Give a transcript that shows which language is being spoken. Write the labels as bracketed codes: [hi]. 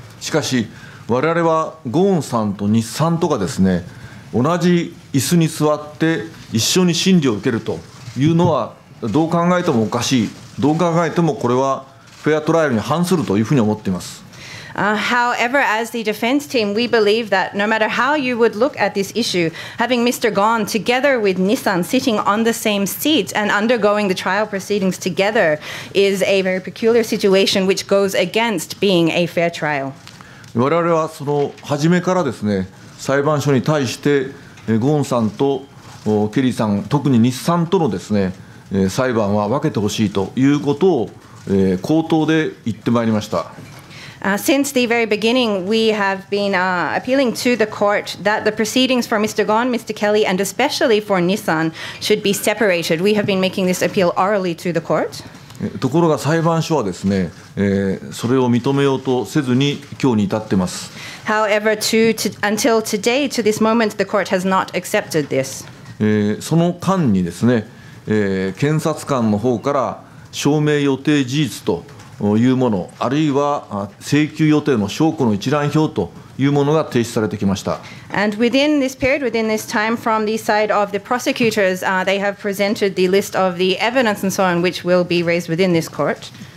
[ja] しかし、我々はゴーンさんと日産とかですね、同じ椅子に座って一緒に審理を受けるというのはどう考えてもおかしい。どう考えてもこれはフェアトライアルに反するというふうに思っています。 [en] However, as the defense team, we believe that no matter how you would look at this issue, having Mr. Ghosn together with Nissan sitting on the same seat and undergoing the trial proceedings together is a very peculiar situation which goes against being a fair trial. [ja] 我々はその初めからですね、裁判所に対してゴーンさんとケリーさん、特に日産とのですね、裁判は分けてほしいということを口頭で言ってまいりました。 [en] Since the very beginning, we have been appealing to the court that the proceedings for Mr. Ghosn, Mr. Kelly, and especially for Nissan should be separated. We have been making this appeal orally to the court. [ja] ところが裁判所はですね、それを認めようとせずに今日に至ってます。 [en] However, until today, to this moment, the court has not accepted this. [ja] その間にですね、検察官の方から証明予定事実と、いうものあるいは請求予定の証拠の一覧表というものが提出されてきました。 [en] And within this period, within this time, from the side of the prosecutors, they have presented the list of the evidence and so on, which will be raised within this court.